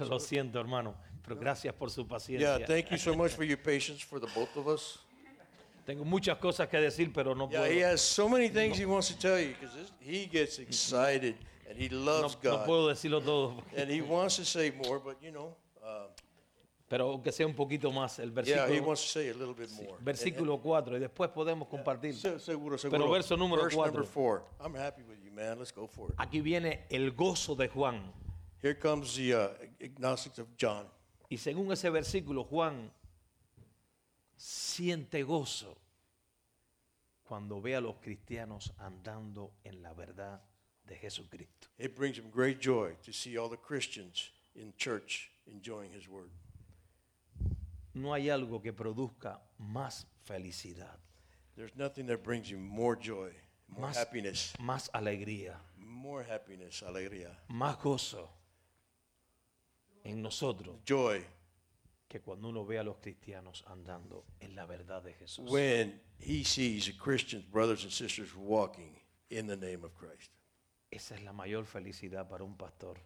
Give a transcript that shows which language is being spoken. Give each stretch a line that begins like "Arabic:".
Spanish: Lo siento, hermano, pero gracias por su paciencia.
English: Yeah, thank you so much for your patience for the both of us.
Spanish: Tengo muchas cosas que decir, pero no puedo.
English: Yeah, he has so many things he wants to tell you because he gets excited and he loves God.
Spanish: No puedo decirlo todo.
English: And he wants to say more, but you know.
Spanish: Pero aunque sea un poquito más el versículo.
English: Yeah, he wants to say a little bit more.
Spanish: Versículo 4 y después podemos compartir. Seguro, seguro. Pero verso número
English: 4. I'm happy with you, man. Let's go for it.
Spanish: Aquí viene el gozo de Juan.
English: Here comes the agnostic of John.
Spanish: Y según ese versículo, Juan siente gozo cuando ve a los cristianos andando en la verdad de Jesucristo.
English: It brings him great joy to see all the Christians in church enjoying his word.
Spanish: No hay algo que produzca más felicidad.
English: There's nothing that brings you more joy, more
Spanish: más,
English: happiness.
Spanish: Más alegría.
English: More happiness, alegría.
Spanish: Más gozo en nosotros.
English: Joy.
Spanish: Que cuando uno ve a los cristianos andando en la verdad de Jesús.
English: When he sees Christians, brothers and sisters, walking in the name of Christ.
Spanish: Esa es la mayor felicidad para un pastor,